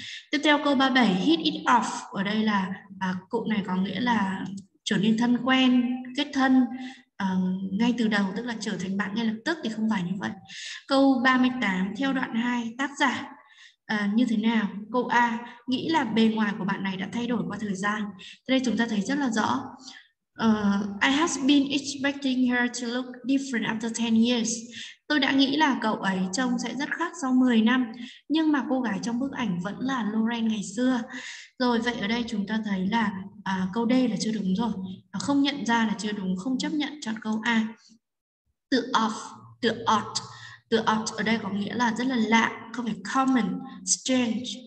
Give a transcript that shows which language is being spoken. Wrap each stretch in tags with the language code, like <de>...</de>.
<vi>Tiếp theo câu 37, hit it off, ở đây là cụm này có nghĩa là trở nên thân quen, kết thân ngay từ đầu, tức là trở thành bạn ngay lập tức, thì không phải như vậy. Câu 38, theo đoạn 2, tác giả như thế nào? Câu A, nghĩ là bề ngoài của bạn này đã thay đổi qua thời gian. Thế đây chúng ta thấy rất là rõ.</vi> <en>I have been expecting her to look different after 10 years.</en> <vi>Tôi đã nghĩ là cậu ấy trông sẽ rất khác sau 10 năm, nhưng mà cô gái trong bức ảnh vẫn là Lauren ngày xưa. Rồi vậy ở đây chúng ta thấy là câu D là chưa đúng rồi. Không nhận ra là chưa đúng, không chấp nhận, chọn câu A. Từ off, từ odd. Từ odd ở đây có nghĩa là rất là lạ, không phải common, strange.</vi>